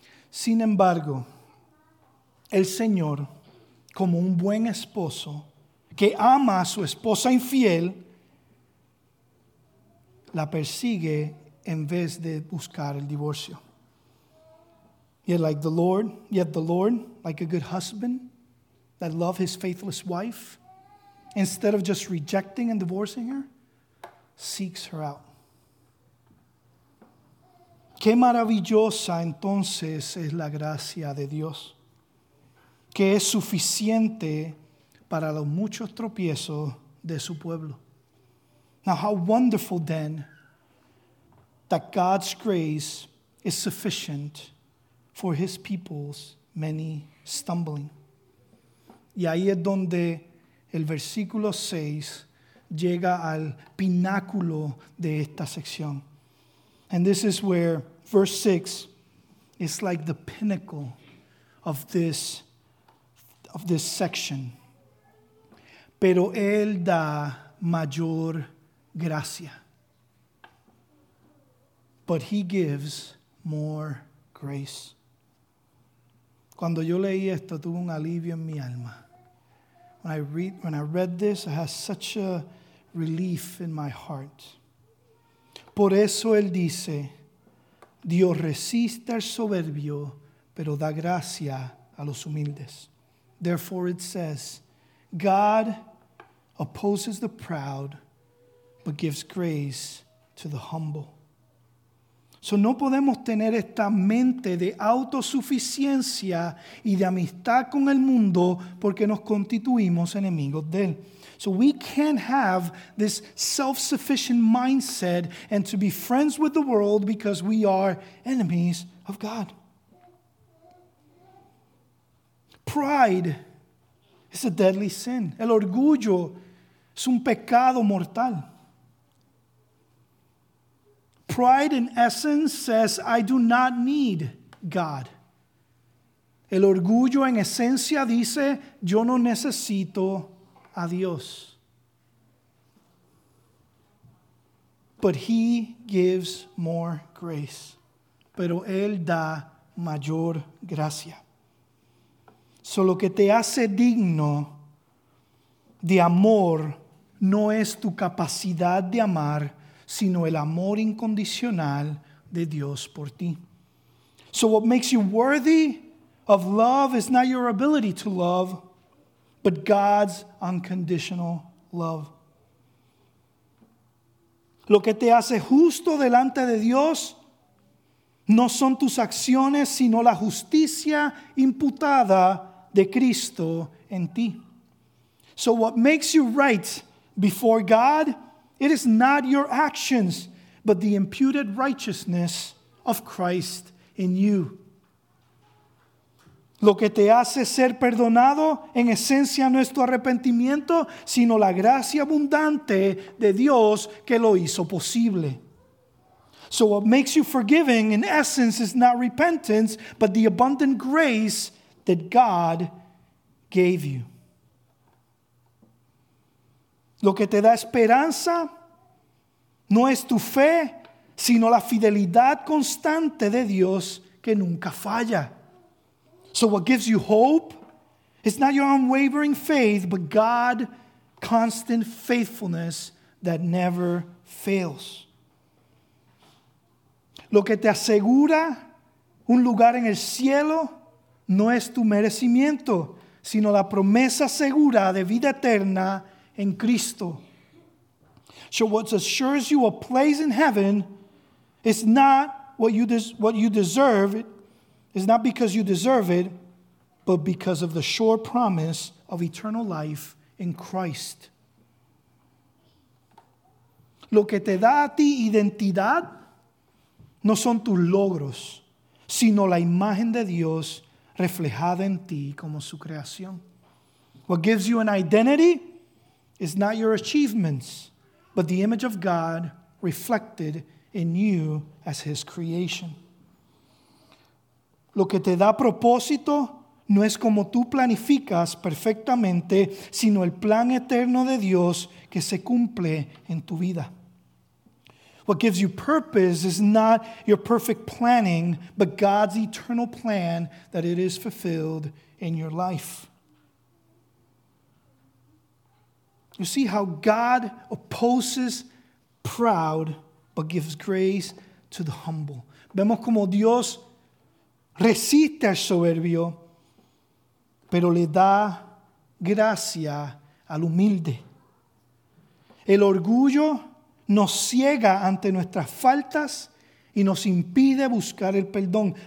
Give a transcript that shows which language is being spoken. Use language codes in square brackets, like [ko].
[es] Sin embargo, el Señor como un buen esposo que ama a su esposa infiel, la persigue en vez de buscar el divorcio. [en] Yet like the Lord, like a good husband that loves his faithless wife, instead of just rejecting and divorcing her, seeks her out. [es] Qué maravillosa entonces es la gracia de Dios, que es suficiente para los muchos tropiezos de su pueblo. [en] Now how wonderful then that God's grace is sufficient for his people's many stumbling. [es] Y ahí es donde el versículo 6 llega al pináculo de esta sección. [en] And this is where verse 6 is like the pinnacle of this section. [es] Pero él da mayor gracia. [en] But he gives more grace. [es] Cuando yo leí esto, tuve un alivio en mi alma. [en] When I read this, I had such a relief in my heart. [es] Por eso él dice, Dios resiste al soberbio, pero da gracia a los humildes. [en] Therefore it says, God opposes the proud, but gives grace to the humble. [es] So no podemos tener esta mente de autosuficiencia y de amistad con el mundo porque nos constituimos enemigos de él. [en] So we can't have this self-sufficient mindset and to be friends with the world because we are enemies of God. Pride is a deadly sin. [es] El orgullo es un pecado mortal. [en] Pride, in essence, says, I do not need God. [es] El orgullo, en esencia, dice, yo no necesito a Dios. [en] But he gives more grace. [es] Pero él da mayor gracia. So lo que te hace digno de amor no es tu capacidad de amar, sino el amor incondicional de Dios por ti. [en] So what makes you worthy of love is not your ability to love, but God's unconditional love. [es] Lo que te hace justo delante de Dios no son tus acciones, sino la justicia imputada de Cristo en ti. [en] So what makes you right before God, it is not your actions, but the imputed righteousness of Christ in you. [es] Lo que te hace ser perdonado, en esencia, no es tu arrepentimiento, sino la gracia abundante de Dios que lo hizo posible. [en] So what makes you forgiving, in essence, is not repentance, but the abundant grace that God gave you. [es] Lo que te da esperanza no es tu fe, sino la fidelidad constante de Dios que nunca falla. [en] So what gives you hope is not your unwavering faith, but God's constant faithfulness that never fails. [es] Lo que te asegura un lugar en el cielo no es tu merecimiento, sino la promesa segura de vida eterna en Cristo. [en] So what assures you a place in heaven is not what you deserve. It's not because you deserve it, but because of the sure promise of eternal life in Christ. [es] Lo que te da a ti identidad no son tus logros, sino la imagen de Dios reflejada en ti como su creación. [en] What gives you an identity is not your achievements, but the image of God reflected in you as his creation. [es] Lo que te da propósito no es como tú planificas perfectamente, sino el plan eterno de Dios que se cumple en tu vida. [en] What gives you purpose is not your perfect planning, but God's eternal plan that it is fulfilled in your life. You see how God opposes proud, but gives grace to the humble. [es] Vemos como Dios resiste al soberbio, pero le da gracia al humilde. El orgullo nos ciega ante nuestras faltas y nos impide buscar el perdón.